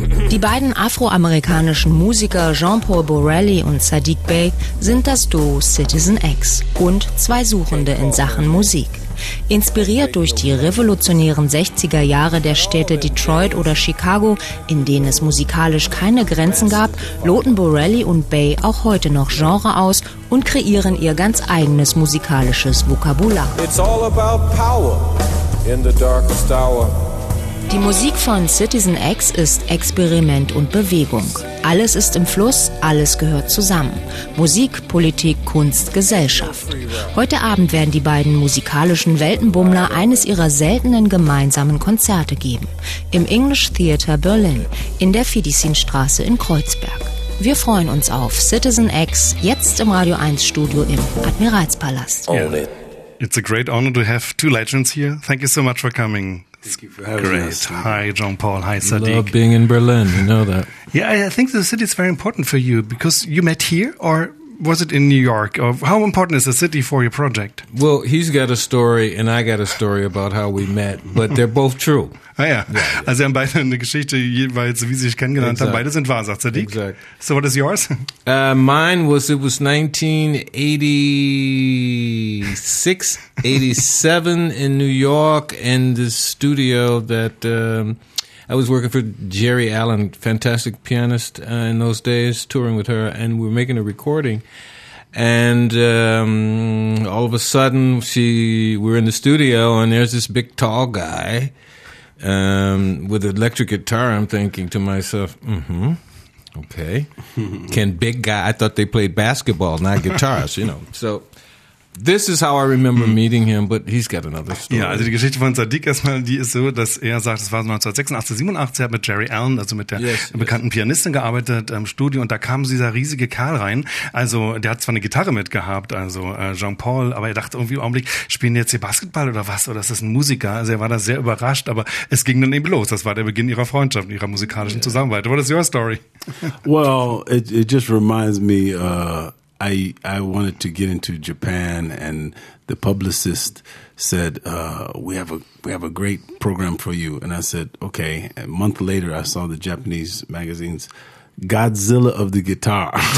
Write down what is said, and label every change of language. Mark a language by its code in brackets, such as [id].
[de] Die beiden afroamerikanischen Musiker Jean-Paul Borelli und Sadiq Bey sind das Duo Citizen X und zwei Suchende in Sachen Musik. Inspiriert durch die revolutionären 60er Jahre der Städte Detroit oder Chicago, in denen es musikalisch keine Grenzen gab, loten Borelli und Bey auch heute noch Genre aus und kreieren ihr ganz eigenes musikalisches Vokabular. [en] It's all about power in the darkest hour. [de] Die Musik von Citizen X ist Experiment und Bewegung. Alles ist im Fluss, alles gehört zusammen. Musik, Politik, Kunst, Gesellschaft. Heute Abend werden die beiden musikalischen Weltenbummler eines ihrer seltenen gemeinsamen Konzerte geben. Im English Theatre Berlin, in der Fidesinstraße in Kreuzberg. Wir freuen uns auf Citizen X, jetzt im Radio 1 Studio im Admiralspalast. [en] It's a great honor to have two legends here. Thank you so much for coming. Thank you for having us. Hi, Jean-Paul. Hi, Sadiq. Love being in Berlin. You know that. Yeah, I think the city is very important for you because you met here, or was it in New York? Or how important is the city for your project? Well, he's got a story and I got a story about how we met, but they're both true. Ah, yeah. [de] Also, sie haben beide eine Geschichte, jeweils, wie sie sich kennengelernt haben. Beide sind wahr, sagt Sadiq. [en] Exactly. So, what is yours? It was 1986, 87 in New York, in this studio that I was working for Jerry Allen, fantastic pianist in those days, touring with her, and we were making a recording. And all of a sudden, we're in the studio, and there's this big, tall guy. With electric guitar, I'm thinking to myself, okay. Can big guy, I thought they played basketball, not guitars, you know. So this is how I remember meeting him, but he's got another story. [de] Ja, also die Geschichte von Sadiq erstmal, die ist so, dass er sagt, es war 1986, 87, er hat mit Jerry Allen, also mit der bekannten Pianistin gearbeitet im Studio, und da kam dieser riesige Kerl rein. Also der hat zwar eine Gitarre mitgehabt, also Jean-Paul, aber er dachte irgendwie im Augenblick, spielen die jetzt hier Basketball oder was? Oder ist das ein Musiker? Also er war da sehr überrascht, aber es ging dann eben los. Das war der Beginn ihrer Freundschaft, ihrer musikalischen Zusammenarbeit. [en] What is your story? Well, it just reminds me, I wanted to get into Japan, and the publicist said, we have a great program for you. And I said, okay. A month later, I saw the Japanese magazines, Godzilla of the Guitar.